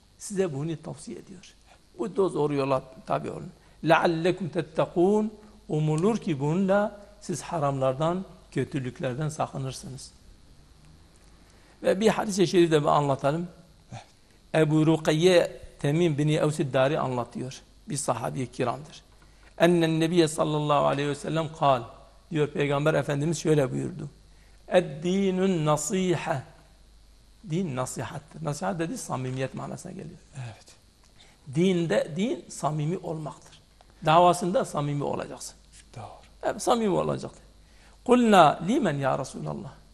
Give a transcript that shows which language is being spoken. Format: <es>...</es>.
<tr>Size bunu tavsiye ediyor. Bu da zor yola tabi olun.</tr> <ar>لَعَلَّكُمْ تَتَّقُونَ</ar> <tr>Umulur ki bununla siz haramlardan, kötülüklerden sakınırsınız. Ve bir hadis-i şerif de anlatalım. Ebu Rukiye Temim bin Evsiddari anlatıyor. Bir sahabi-i kiramdır.</tr> <ar>اَنَّ النَّبِيَ صَلَّى اللّٰهُ عَلَيْهُ وَسَلَّمْ قَالْ</ar> <tr>diyor Peygamber Efendimiz şöyle buyurdu.</tr> <ar>اَدِّينُ النَّصِيحَ</ar> <tr>Din nasihattir. Nasihat dedi samimiyet manasına geliyor. Evet. Dinde din samimi olmaktır. Davasında samimi olacaksın. Doğru. Evet, samimi olacaksın.</tr> <ar>Kulna limen ya Resulallah.</ar>